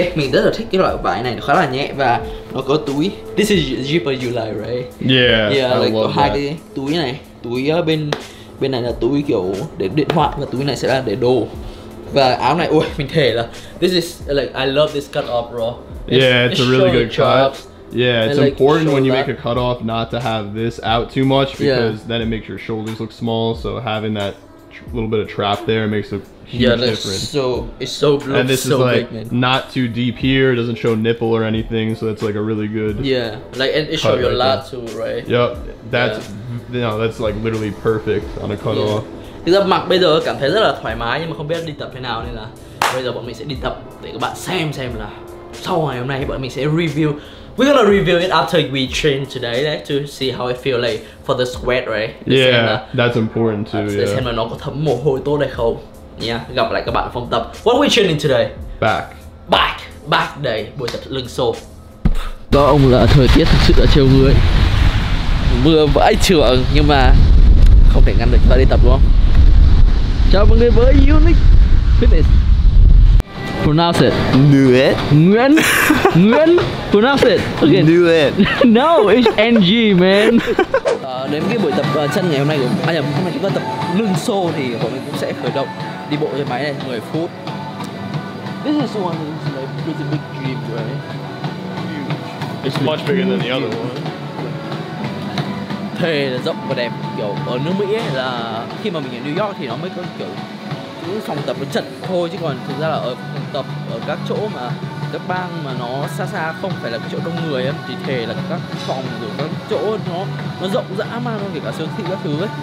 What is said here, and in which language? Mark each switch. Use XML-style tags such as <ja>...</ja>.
<vi>Mình rất là thích cái loại vải này, nó khá là nhẹ và nó có túi.</vi> <en>This is zipper you like, right? Yeah, yeah, like</en> <vi>có hai cái túi này. Túi bên bên này là túi kiểu để điện thoại và túi này sẽ là để đồ. Và áo này, ôi mình thề là</vi> <en>this is like I love this cut off, bro. It's a really good cut. Yeah, it's like important when you make a cut off not to have this out too much, because then it makes your shoulders look small. So having that little bit of trap there makes a huge difference. So it's so blue. And this so is like big, not too deep here. It doesn't show nipple or anything, so that's like a really good. Yeah, like and it shows your lat too, right? Yep, that's. No, that's like literally perfect on a cut off.</en> <vi>Thực ra mặc bây giờ cảm thấy rất là thoải mái, nhưng mà không biết đi tập thế nào, nên là bây giờ bọn mình sẽ đi tập để các bạn xem là sau ngày hôm nay bọn mình sẽ review.</vi> <en>We're gonna review it after we train today, like, to see how it feel like for the sweat, right? That's important too.</en> <vi>Để xem là nó có thấm mồ hôi tốt hay không. Gặp lại các bạn phòng tập.</vi> <en>What are we training today? Back</en> <vi>day, buổi tập lưng xô. Có ông là thời tiết thực sự đã trêu người. Mưa vãi trưởng nhưng mà không thể ngăn được chúng ta đi tập, đúng không? Chào mọi người với Unix Fitness.</vi> <en>Pronounce it. Nguyễn. Nguyễn. Nguyễn. Pronounce it again. Nguyễn. No, it's NG, man.</en> <vi>Đến cái buổi tập chân ngày hôm nay của anh em, hôm nay chúng ta tập lưng xô thì bọn mình cũng sẽ khởi động đi bộ trên máy này 10 phút.</vi> <en>This is one is like pretty big dream, right? Huge. It's much bigger than the other one.</en> <vi>Thề là rộng và đẹp, kiểu ở nước Mỹ ấy là khi mà mình ở New York thì nó mới có kiểu những phòng tập nó chật thôi, chứ còn thực ra là ở phòng tập ở các chỗ mà các bang mà nó xa xa không phải là cái chỗ đông người ấy, thì thề là các phòng rồi các chỗ nó rộng dã man luôn, kể cả siêu thị các thứ ấy.</vi>